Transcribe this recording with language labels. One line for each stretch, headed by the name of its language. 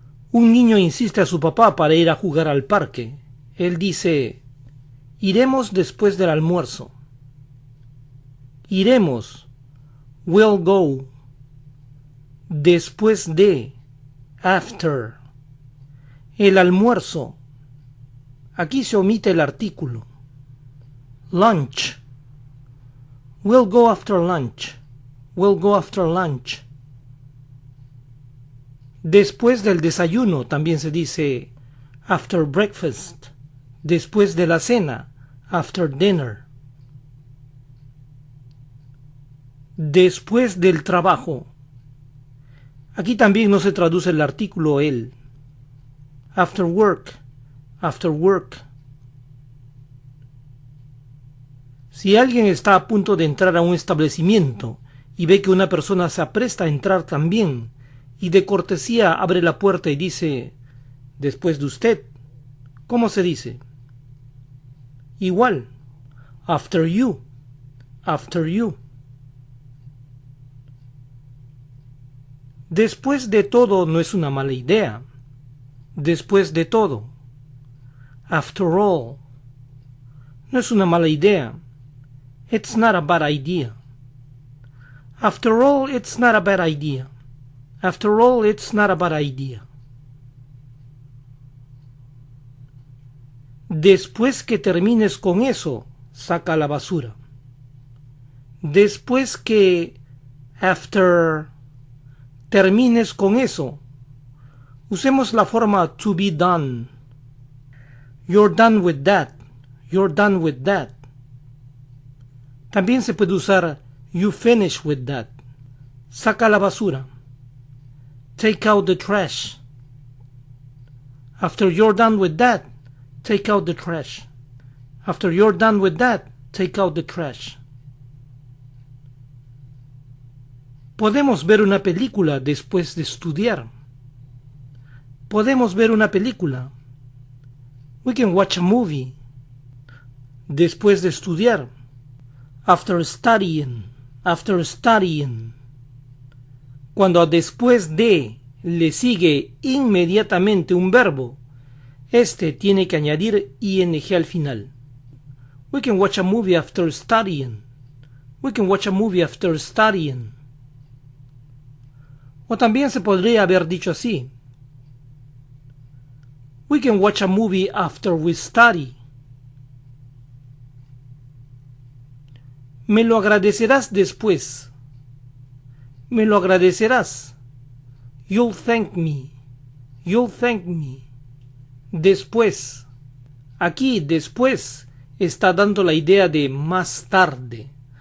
Spanish: Un niño insiste a su papá para ir a jugar al parque. Él dice, iremos después del almuerzo. Iremos,
English: we'll go,
Spanish: después de,
English: after,
Spanish: el almuerzo. Aquí se omite el artículo.
English: Lunch, we'll go after lunch, we'll go after lunch.
Spanish: Después del desayuno también se dice
English: after breakfast,
Spanish: después de la cena,
English: after dinner.
Spanish: Después del trabajo. Aquí también no se traduce el artículo el.
English: After work, after work.
Spanish: Si alguien está a punto de entrar a un establecimiento y ve que una persona se apresta a entrar también, y de cortesía abre la puerta y dice, después de usted, ¿cómo se dice? Igual,
English: after you, after you. Después de todo no es una mala idea. Después de todo, after all, no es una mala idea. It's not a bad idea. After all, it's not a bad idea. After all, it's not a bad idea.
Spanish: Después que termines con eso, saca la basura. Después que,
English: after,
Spanish: termines con eso, usemos la forma
English: to be done. You're done with that. You're done with that.
Spanish: También se puede usar
English: you finish with that.
Spanish: Saca la basura.
English: Take out the trash. After you're done with that, take out the trash. After you're done with that, take out the trash.
Spanish: Podemos ver una película después de estudiar. Podemos ver una película.
English: We can watch a movie.
Spanish: Después de estudiar.
English: After studying. After studying.
Spanish: Cuando después de le sigue inmediatamente un verbo, este tiene que añadir ing al final.
English: We can watch a movie after studying. We can watch a movie after studying.
Spanish: O también se podría haber dicho así.
English: We can watch a movie after we study.
Spanish: Me lo agradecerás después. Me lo agradecerás.
English: You'll thank me. You'll thank me.
Spanish: Después. Aquí, después, está dando la idea de más tarde.